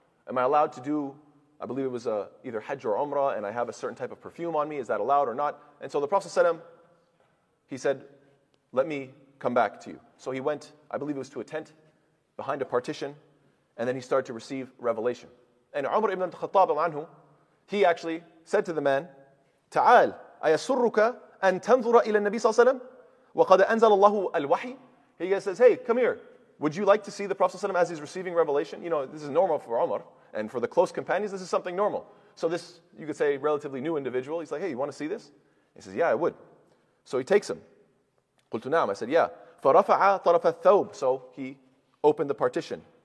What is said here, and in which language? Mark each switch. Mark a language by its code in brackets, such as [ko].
[en] Am I allowed to do, I believe it was either Hajj or Umrah, and I have a certain type of perfume on me, is that allowed or not? And so the Prophet ﷺ, he said, let me come back to you. So he went, I believe it was to a tent, behind a partition, and then he started to receive revelation. And Umar ibn al-Khattab al-Anhu, he actually said to the man, [ar] تعال أيسرك أن تنظر إلى النبي صلى الله عليه وسلم وقد أنزل الله الوحي. [en] He says, hey, come here. Would you like to see the Prophet ﷺ as he's receiving revelation? You know, this is normal for Umar and for the close companions, this is something normal. So this, you could say, relatively new individual, he's like, hey, you want to see this? He says, yeah, I would. So he takes him. [ar] قُلْتُ نَعْمَ, [en] I said, yeah. [ar] فَرَفَعَ طَرَفَ الثَّوْبِ, [en] so he opened the partition.